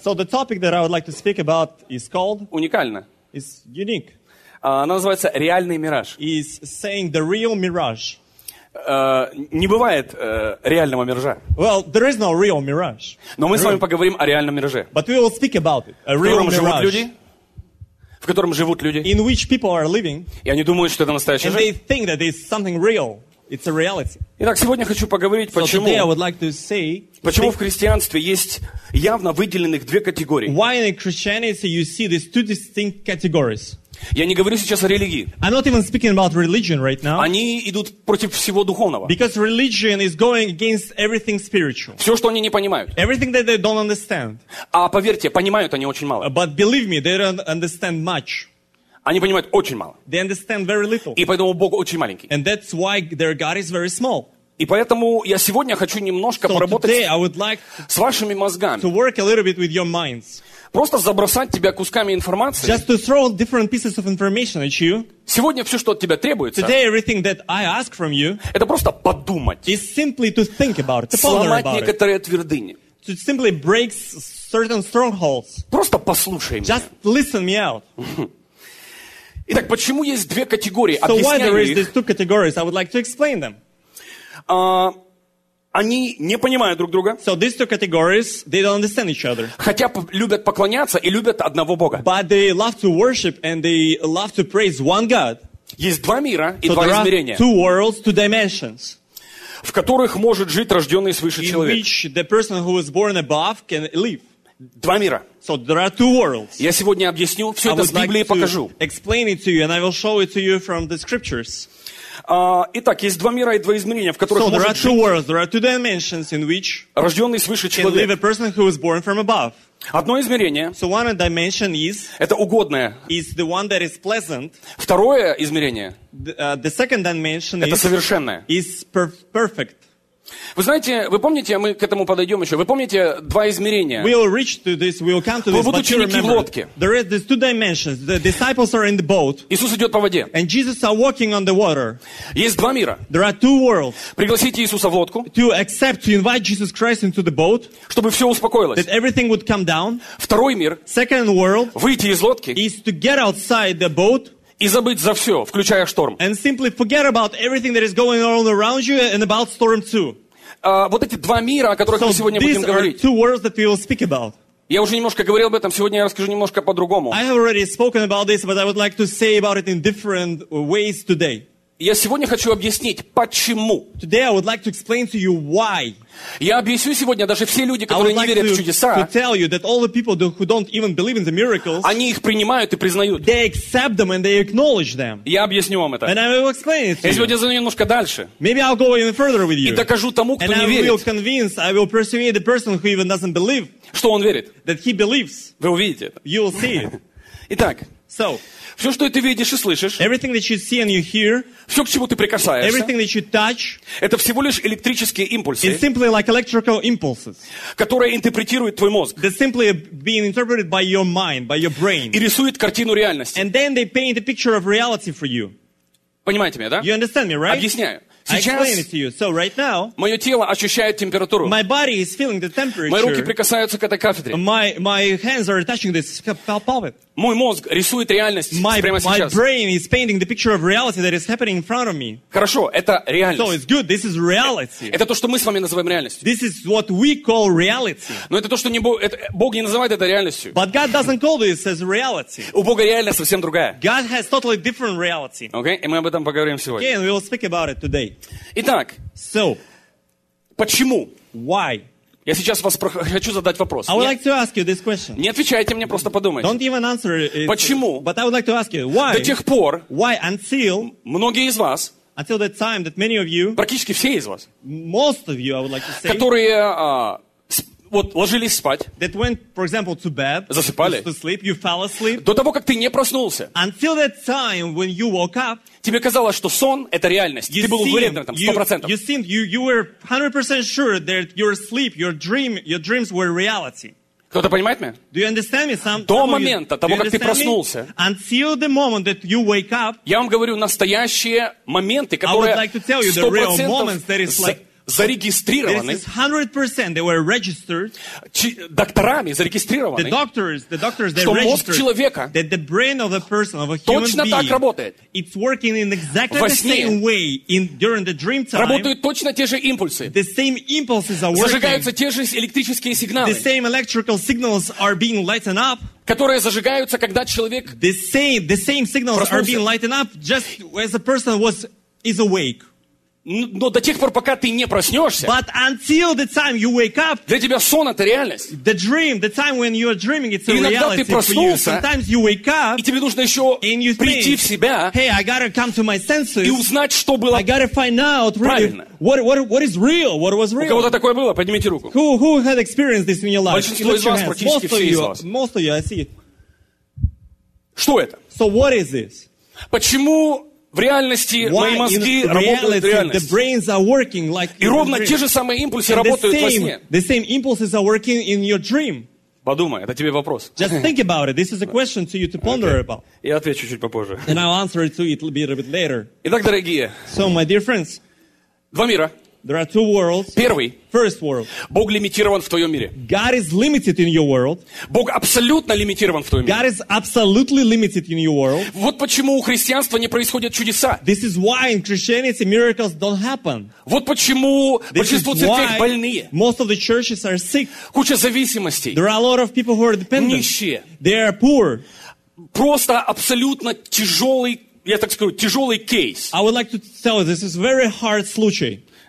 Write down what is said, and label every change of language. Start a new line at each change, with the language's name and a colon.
English: So the topic that I would like to speak about is called.
Russian: Уникально.
English: Is unique.
Russian: Она называется реальный мираж.
English: Is saying the real mirage.
Russian: Не бывает реального миража.
English: Well, there is no real mirage.
Russian: Но мы с вами поговорим о реальном мираже.
English: But we will speak about it. A real mirage.
Russian: В котором живут люди.
English: In which people are living,
Russian: и они думают, что это настоящая
English: and
Russian: жизнь.
English: They think that it's something real. It's a reality.
Russian: Итак, сегодня хочу поговорить, почему,
English: so today I would like to say,
Russian: почему в христианстве есть явно выделенных две категории.
English: Why in Christianity you see these two distinct categories?
Russian: Я не говорю сейчас о религии.
English: I'm not even speaking about religion right now.
Russian: Они идут против всего духовного.
English: Because religion is going against everything spiritual.
Russian: Все, что они не понимают.
English: Everything that they don't understand.
Russian: А поверьте, понимают они очень мало.
English: But believe me, they don't understand much.
Russian: Они понимают очень мало.
English: They understand very little.
Russian: И поэтому Бог очень маленький.
English: And that's why their God is very small.
Russian: И поэтому я сегодня хочу немножко поработать
English: today I would like
Russian: с вашими мозгами.
English: To work a little bit with your minds.
Russian: Просто забросать тебя кусками информации.
English: Just to throw different pieces of information at you.
Russian: Сегодня все, что от тебя требуется.
English: Today everything that I ask from you.
Russian: Это просто подумать.
English: Is simply to think about it.
Russian: Сломать некоторые твердыни.
English: To simply break certain strongholds.
Russian: Просто послушай меня.
English: Just listen me out.
Russian: Итак, почему есть две категории?
English: So why there is these two categories? I would like to explain them.
Russian: Они не понимают друг друга.
English: So these two categories, they don't understand each other.
Russian: Хотя любят поклоняться и любят одного Бога.
English: But they love to worship and they love to praise one God.
Russian: Есть два мира и
English: so
Russian: два измерения.
English: Two worlds, two dimensions.
Russian: В которых может жить рожденный свыше
English: in
Russian: человек.
English: In which the person who was born above can live.
Russian: Два мира.
English: So there are two worlds.
Russian: Я сегодня объясню, все
English: I
Russian: это с Библии
English: like
Russian: покажу.
English: Explain it to you and I will show it to you from the scriptures.
Russian: Итак, есть два мира и два измерения, в которых
English: so,
Russian: может жить
English: worlds, there are two dimensions in which
Russian: рожденный свыше человек.
English: Can live a person who was born from above.
Russian: Одно измерение
English: so, one dimension is,
Russian: это угодное.
English: Is the one that is pleasant.
Russian: Второе измерение
English: the second dimension
Russian: это
English: is,
Russian: совершенное.
English: Is perfect.
Russian: Вы знаете, вы помните, мы к этому подойдем еще, вы помните два измерения?
English: We will reach to this, we will come to
Russian: вы вот ученики в лодке.
English: There are these two dimensions. The disciples are in the boat.
Russian: Иисус идет по воде.
English: And Jesus are walking on the water.
Russian: Есть два мира.
English: There are two worlds.
Russian: Пригласите Иисуса в лодку.
English: To accept, to invite Jesus Christ into the boat.
Russian: Чтобы все успокоилось.
English: That everything would come down.
Russian: Второй мир.
English: Second world.
Russian: Выйти из лодки.
English: Is to get outside the boat.
Russian: И забыть за все, включая шторм.
English: And simply forget about everything that is going on around you and about storm too.
Russian: Вот эти два мира, о которых
English: so
Russian: мы сегодня будем говорить.
English: These are two worlds that we will speak about.
Russian: Я уже немножко говорил об этом, сегодня я расскажу немножко по-другому.
English: I have already spoken about this, but I would like to say about it in different ways today.
Russian: Я сегодня хочу объяснить, почему.
English: Today I would like to explain to you why.
Russian: Я объясню сегодня даже все люди, которые
English: like
Russian: не верят
English: to,
Russian: в чудеса.
English: To tell you that all the people who don't even believe in the miracles.
Russian: Они их принимают и признают.
English: They accept them and they acknowledge them.
Russian: Я объясню вам это.
English: And I will explain it to you.
Russian: Я сегодня зайду немножко дальше.
English: Maybe I'll go even further with you.
Russian: И докажу тому, кто
English: and
Russian: не
English: I
Russian: верит.
English: Will convince, I will persuade the person who even doesn't believe.
Russian: Что он верит?
English: That he believes.
Russian: Вы увидите.
English: You will see it.
Russian: Итак.
English: So.
Russian: Все, что ты видишь и слышишь,
English: everything that you see and you hear,
Russian: все, к чему ты прикасаешься,
English: everything that you touch,
Russian: это всего лишь электрические импульсы,
English: it's simply like electrical impulses,
Russian: которые интерпретирует твой мозг,
English: that's simply being interpreted by your mind, by your brain,
Russian: и рисует картину реальности.
English: And then they paint a picture of reality for you.
Russian: Понимаете меня, да?
English: You understand me, right?
Russian: Объясняю. Сейчас
English: I explain it to you. So right now,
Russian: мое тело ощущает температуру.
English: My body is feeling the temperature.
Russian: Мои руки прикасаются к этой кафедре.
English: My hands are touching this pulpit.
Russian: Мой мозг рисует реальность прямо сейчас.
English: My brain is painting the picture of reality that is happening in front of me.
Russian: Хорошо, это реальность.
English: So it's good. This is reality.
Russian: Это то, что мы с вами называем реальностью.
English: This is what we call reality.
Russian: Но это то, что Бог не называет это реальностью.
English: But God doesn't call this as reality.
Russian: У Бога реальность совсем другая.
English: God has totally different reality.
Russian: Okay, и мы об этом поговорим сегодня.
English: Okay, and we will speak about it today.
Russian: Итак,
English: so,
Russian: почему?
English: Why?
Russian: Я сейчас вас хочу задать вопрос.
English: I would like to ask you this question.
Russian: Не отвечайте мне, просто подумайте.
English: Don't even answer it.
Russian: Почему?
English: But I would like to ask you, why?
Russian: До тех пор,
English: why until,
Russian: многие из вас,
English: until that time that many of you,
Russian: практически все из вас,
English: most of you, I would like to say,
Russian: которые вот ложились спать,
English: that went, for example, to bed,
Russian: засыпали,
English: to sleep, you fell asleep,
Russian: до того, как ты не проснулся,
English: until that time when you woke up,
Russian: тебе казалось, что сон — это реальность.
English: You
Russian: ты был уверен там, 100%.
English: You seemed, you were 100% sure that your sleep, your dream, your dreams were reality.
Russian: Кто-то понимает меня?
English: Do you understand me? Some,
Russian: до момента
English: you,
Russian: того, как ты проснулся,
English: until the moment that you wake up,
Russian: я вам говорю настоящие моменты, которые 100% зарегистрированы.
English: This is 100%. They were registered.
Russian: Докторами зарегистрированы.
English: The doctors,
Russian: что мозг человека,
English: that the brain of a person, of a human
Russian: точно
English: being,
Russian: так работает.
English: It's working in exactly the same way in during the dream time.
Russian: Работают точно те же импульсы.
English: The same impulses are working.
Russian: Зажигаются те же электрические сигналы.
English: The same electrical signals are being lighted up.
Russian: Которые зажигаются, когда человек
English: the same signals
Russian: проснулся.
English: Are being lighted up just as a person is awake.
Russian: Но до тех пор, пока ты не проснешься,
English: but until the time you wake up,
Russian: для тебя сон — это реальность.
English: The dream, the time when you are dreaming, it's a reality.
Russian: Иногда ты проснулся,
English: sometimes you wake up,
Russian: и тебе нужно еще
English: think,
Russian: прийти в себя,
English: hey, I gotta come to my senses,
Russian: и узнать, что было
English: I gotta find out
Russian: правильно.
English: Really, what is real, what was real?
Russian: У кого-то такое было? Поднимите руку.
English: Who had experienced this in your life?
Russian: Большинство из вас, практически
English: most
Russian: все
English: of you,
Russian: из вас.
English: Most of you, I see.
Russian: Что это?
English: So what is this?
Russian: Почему в реальности
English: why
Russian: мои мозги
English: reality,
Russian: работают в реальности.
English: Like
Russian: и ровно те же самые импульсы
English: and
Russian: работают
English: the same,
Russian: во сне.
English: The same are working in your dream.
Russian: Подумай, это тебе вопрос.
English: Just think about it. This is a question to you to ponder okay. about.
Russian: Я отвечу чуть попозже.
English: And I'll answer it to you a little bit later.
Russian: Итак, дорогие.
English: So, my dear friends.
Russian: Два мира.
English: There are two worlds.
Russian: Первый.
English: First world.
Russian: Бог лимитирован в твоем мире.
English: God is limited in your world.
Russian: Бог абсолютно лимитирован в твоем мире.
English: God is absolutely limited in your world.
Russian: Вот почему у христианства не происходят чудеса.
English: This is why in Christianity miracles don't happen.
Russian: Вот почему большинство церквей больные.
English: Most of the churches are sick.
Russian: Куча зависимостей.
English: There are a lot of people who are dependent.
Russian: Нищие.
English: They are poor.
Russian: Просто абсолютно тяжелый, я так скажу, тяжелый кейс.
English: I would like to tell you this is very hard
Russian: случай.